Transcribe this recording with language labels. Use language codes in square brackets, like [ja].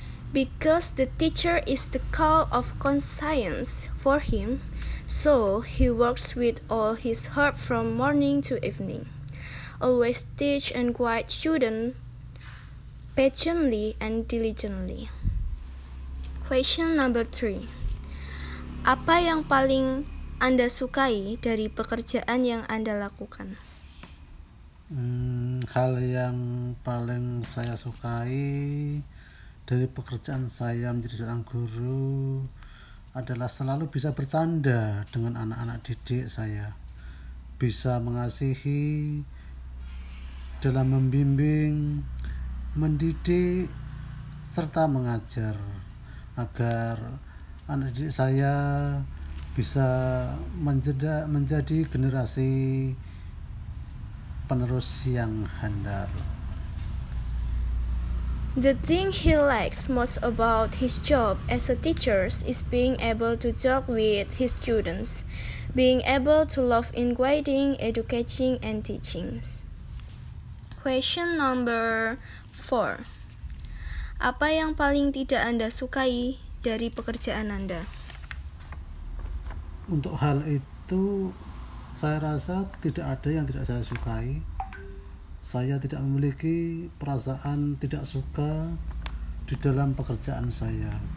[en] Because the teacher is the call of conscience for him, so he works with all his heart from morning to evening. Always teach and guide students patiently and diligently. Question number 3. [id] Apa yang paling Anda sukai dari pekerjaan yang Anda lakukan? Hal yang paling saya sukai dari pekerjaan saya menjadi seorang guru adalah selalu bisa bercanda dengan anak-anak didik saya. Bisa mengasihi dalam membimbing, mendidik, serta mengajar agar anak didik saya bisa menjadi generasi penerus yang handal. [en] The thing he likes most about his job as a teacher is being able to talk with his students, being able to love in guiding, educating, and teaching. Question number 4. [id] Apa yang paling tidak Anda sukai dari pekerjaan Anda? Untuk hal itu, saya rasa tidak ada yang tidak saya sukai. Saya tidak memiliki perasaan tidak suka di dalam pekerjaan saya.